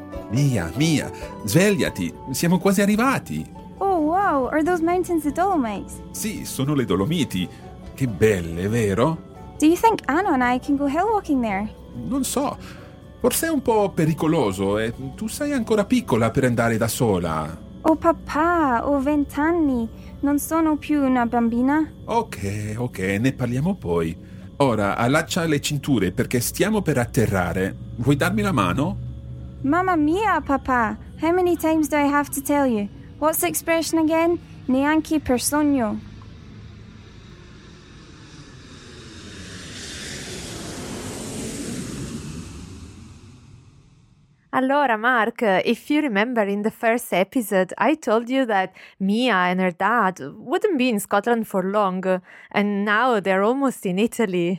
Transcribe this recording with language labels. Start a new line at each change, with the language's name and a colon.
Italian: Mia, Mia, svegliati, siamo quasi arrivati.
English: Oh wow, are those mountains the Dolomites?
Italian: Sì, sono le Dolomiti. Che belle, vero?
English: Do you think Anna and I can go hill walking there?
Italian: Non so. Forse è un po' pericoloso e tu sei ancora piccola per andare da sola. Oh papà, ho 20 anni. Non sono più una bambina. Ok, ok, ne parliamo poi. Ora, allaccia le cinture perché stiamo per atterrare. Vuoi darmi la mano? Mamma mia, papà.
English: How many times do I have to tell you? What's the expression again?
Italian: Neanche per sogno.
English: Allora, Mark, if you remember in the first episode, I told you that Mia and her dad wouldn't be in Scotland for long, and now they're almost in Italy.